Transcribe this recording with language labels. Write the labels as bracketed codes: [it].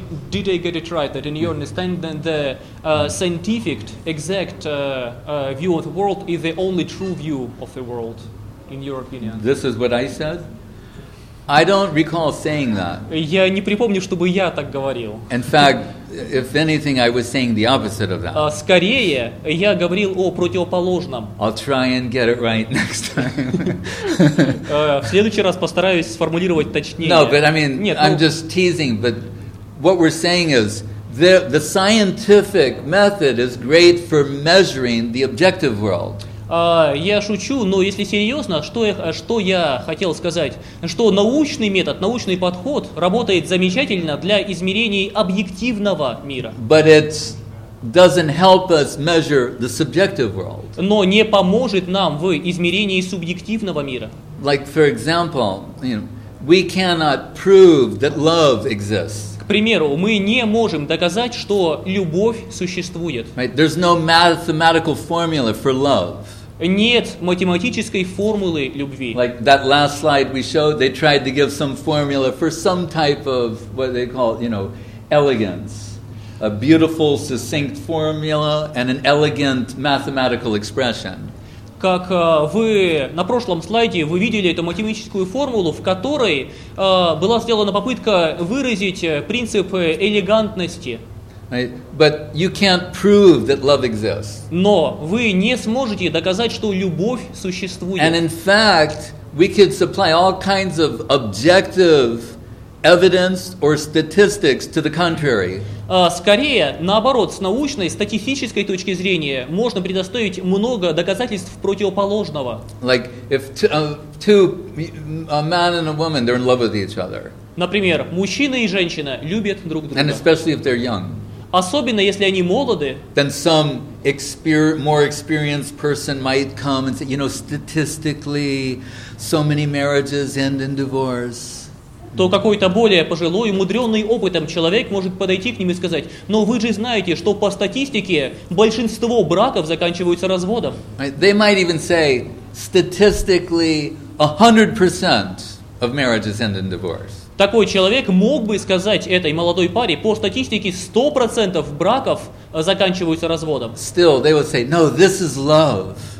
[en] Did I get it right that in your understanding the scientific exact view of the world is the only true view of the world, in your opinion? This is what I said. I don't recall saying that. [ru] Я не припомню, чтобы я так говорил. [en] In fact, if anything, I was saying the opposite of that. [ru] Скорее, я говорил о противоположном. [en] I'll try and get it right next time. [ru] В следующий раз постараюсь сформулировать точнее. [en] No, but I mean, I'm just teasing, but what we're saying is the scientific method is great for measuring the objective world. [ru] Я шучу, но если серьезно, что я хотел сказать, что научный метод, научный подход работает замечательно для измерений объективного мира. [en] But it doesn't help us measure the subjective world. [ru] Но не поможет нам в измерении субъективного мира. [en] Like, for example, we cannot prove that love exists. [ru] К примеру, мы не можем доказать, что любовь существует. [en] Right. There's no mathematical formula for love. [ru] Нет математической формулы любви. [en] Like that last slide we showed, they tried to give some formula for some type of what they call, elegance. A beautiful, succinct formula and an elegant mathematical expression. [ru] Как вы на прошлом слайде вы видели эту математическую формулу, в которой была сделана попытка выразить принцип элегантности. [en] Right. But you can't prove that love exists. [ru] Но вы не сможете доказать, что любовь существует. [en] And in fact, we could supply all kinds of objective evidence or statistics to the contrary. [ru] Скорее, наоборот, с научной, статистической точки зрения можно предоставить много доказательств противоположного. [en] Like, if a man and a woman, they're in love with each other. [ru] Например, мужчина и женщина любят друг друга. [en] And especially if they're young. [ru] Особенно, если они молоды. [en] Then some more experienced person might come and say, statistically, so many marriages end in divorce. [ru] То какой-то более пожилой, мудренный опытом человек может подойти к ним и сказать, но вы же знаете, что по статистике большинство браков заканчиваются разводом. [en] They might even say, statistically, 100% of marriages end in divorce. [ru] Такой человек мог бы сказать этой молодой паре, по статистике 100% браков заканчиваются разводом. [en] Still, they would say, no, this is love.